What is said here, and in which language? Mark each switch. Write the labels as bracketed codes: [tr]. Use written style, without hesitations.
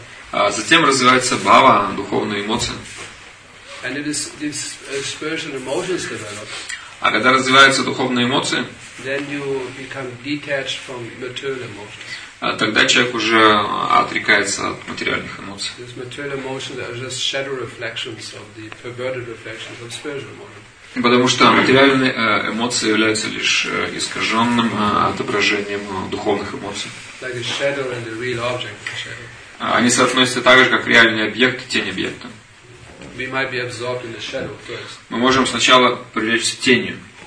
[ru] Затем развивается бхава, духовные эмоции. А когда развиваются духовные эмоции, [en] then you become detached from material emotions. [ru] Тогда человек уже отрекается от материальных эмоций. [en] These material emotions are just shadow reflections of the perverted reflections of spiritual emotions. [ru] Потому что материальные эмоции являются лишь искаженным отображением духовных эмоций. [en] Like a shadow and the real object, the shadow. [ru] Они соотносятся так же, как реальный объект и тень объекта. [en] We might be absorbed in the shadow first. [ru] Мы можем сначала привлечься тенью.